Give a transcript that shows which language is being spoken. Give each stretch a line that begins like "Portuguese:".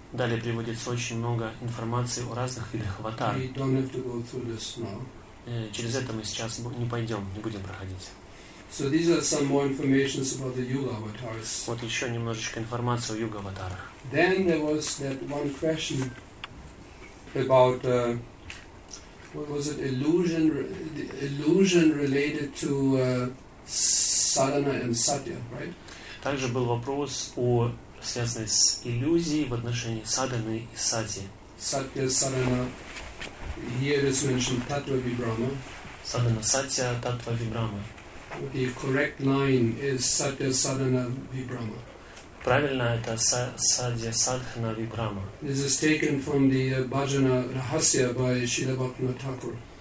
Russian: Далее приводится очень много информации о разных видах аватаров.
English: We don't have to go through this now.
Russian: Через это мы сейчас не пойдем, не будем проходить.
English: So these are some more informations about the Yuga avatars.
Russian: Вот еще немножечко информации о Юга аватарах.
English: Then there was that one question about. What was it? Illusion related to sadhana and satya, right?
Russian: Также был вопрос о связанной с иллюзией в отношении садханы и сати.
English: Satya, sadhana. Here is mentioned tattva vibrama. Sadhana, satya, tattva vibrama. The correct line is satya, sadhana, vibrama.
Russian: Правильно это садья садхана вибрама.
English: This is taken from the Bhajana Rahasya by Śrīla Bhaktivinoda Thakur.